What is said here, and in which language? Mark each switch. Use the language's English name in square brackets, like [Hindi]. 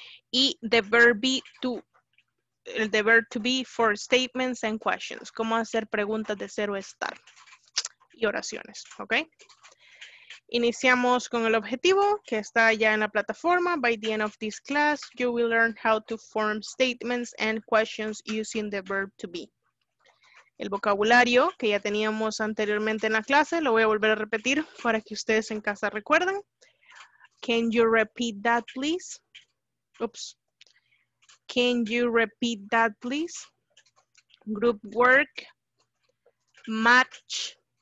[English] Y the verb be to, el the verb to be for statements and questions. [Spanish] Cómo hacer preguntas de ser o estar. Y oraciones, ¿ok? Iniciamos con el objetivo, que está ya en la plataforma. [English] By the end of this class, you will learn how to form statements and questions using the verb to be. [Spanish] El vocabulario que ya teníamos anteriormente en la clase, lo voy a volver a repetir para que ustedes en casa recuerden. [English] Can you repeat that, please? Oops. Can you repeat that, please? Group work. Match.